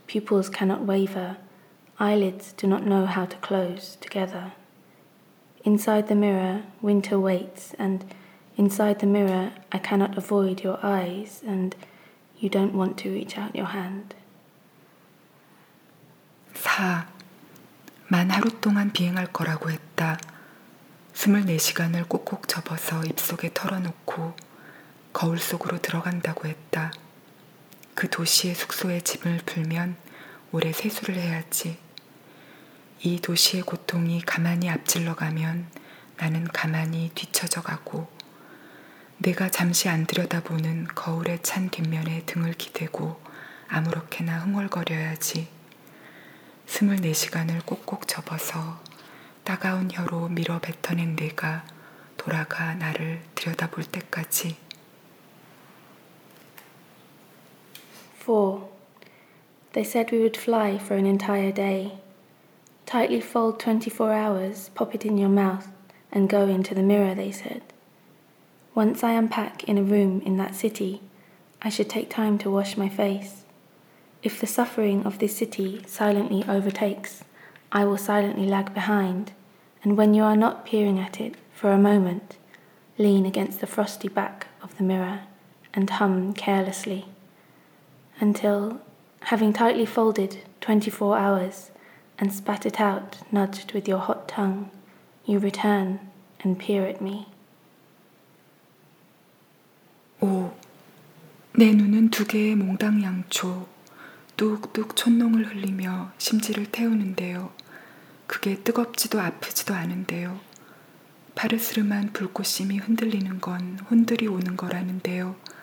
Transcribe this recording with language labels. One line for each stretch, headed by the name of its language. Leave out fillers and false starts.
English: Pupils cannot waver. Eyelids do not know how to close together. Inside the mirror, winter waits, and inside the mirror, I cannot avoid your eyes, and you don't want to reach out your hand.
Korean: 만 하루 동안 비행할 거라고 했다. 24시간을 꼭꼭 접어서 입속에 털어놓고 거울 속으로 들어간다고 했다. 그 도시의 숙소에 짐을 풀면 오래 세수를 해야지. 이 도시의 고통이 가만히 앞질러가면 나는 가만히 뒤처져가고 내가 잠시 안 들여다보는 거울에 찬 뒷면에 등을 기대고 아무렇게나 흥얼거려야지. 24시간을 꼭꼭 접어서 따가운 혀로 밀어 뱉어낸 내가 돌아가 나를 들여다볼 때까지. 4.
English: They said we would fly for an entire day. Tightly fold 24 hours, pop it in your mouth, and go into the mirror, they said. Once I unpack in a room in that city, I should take time to wash my face. If the suffering of this city silently overtakes, I will silently lag behind, and when you are not peering at it for a moment, lean against the frosty back of the mirror and hum carelessly. Until, having tightly folded 24 hours and spat it out, nudged with your hot tongue, you return and peer at me.
Korean: Oh, 내 눈은 두 개의 몽당 양초. 뚝뚝 촛농을 흘리며 심지를 태우는데요. 그게 뜨겁지도 아프지도 않은데요. 파르스름한 불꽃심이 흔들리는 건 혼들이 오는 거라는데요.